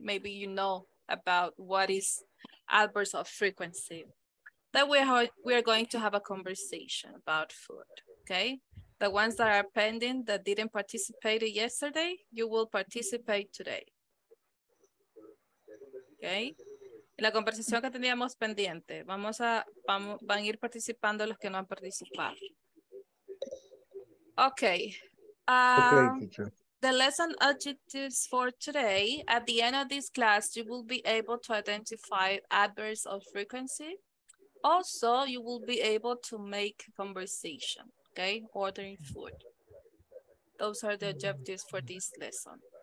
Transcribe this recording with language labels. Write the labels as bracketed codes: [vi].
[en] Maybe you know about what is adverbs of frequency. Then we are going to have a conversation about food, okay? The ones that are pending that didn't participate yesterday, you will participate today, okay? [es] Y la conversación que teníamos pendiente, van a ir participando los que no han participado. [en] Okay. The lesson objectives for today, at the end of this class, you will be able to identify adverbs of frequency. Also, you will be able to make conversation, okay? Ordering food. Those are the objectives for this lesson.